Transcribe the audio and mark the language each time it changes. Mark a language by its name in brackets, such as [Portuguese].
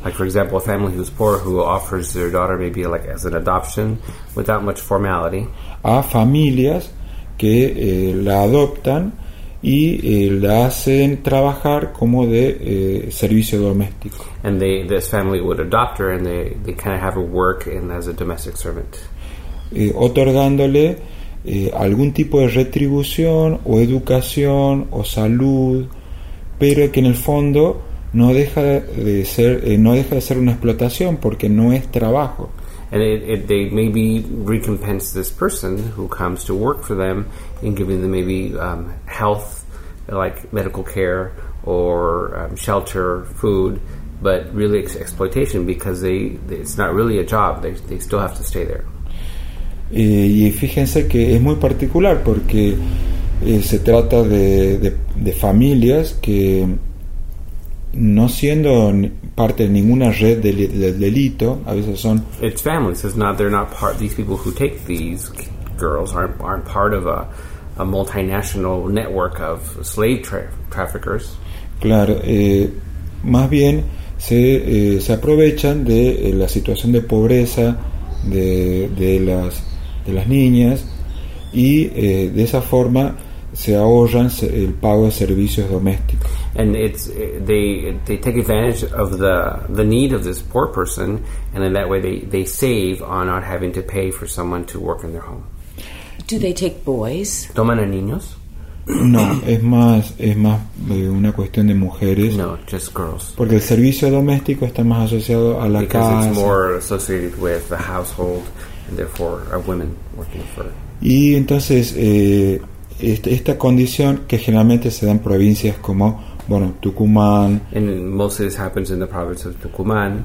[English] Like for example, a family who's poor who offers their daughter maybe like as an adoption without much formality. [Spanish] A familias que la adoptan y la hacen trabajar como de servicio doméstico. [English] And this family would adopt her and they kind of have her work as a domestic servant. [Spanish] Otorgándole algún tipo de retribución o educación o salud, pero que en el fondo no deja de ser una explotación porque no es trabajo. [English] And they maybe recompense this person who comes to work for them in giving them maybe health, like medical care or shelter, food, but really it's exploitation because it's not really a job. They still have to stay there. [Spanish] Y fíjense que es muy particular porque se trata de familias que no siendo parte de ninguna red del delito, a veces son... [English] It's families. It's not, they're not part, these people who take these girls aren't part of a multinational network of slave traffickers. [Spanish] Claro, más bien se aprovechan de la situación de pobreza de las niñas y de esa forma se ahorran el pago de servicios domésticos. [English] And it's they take advantage of the need of this poor person, and in that way they save on not having to pay for someone to work in their home. Do they take boys? [Spanish] ¿Toman a niños? No, es más una cuestión de mujeres. [English] No, just girls. [Spanish] Porque el servicio doméstico está más asociado a la [English] because [Spanish] casa. [English] It's more associated with the household, and therefore are women working for. [Spanish] Y entonces esta condición que generalmente se da en provincias como bueno, Tucumán. [English] And most of this happens in the province of Tucumán.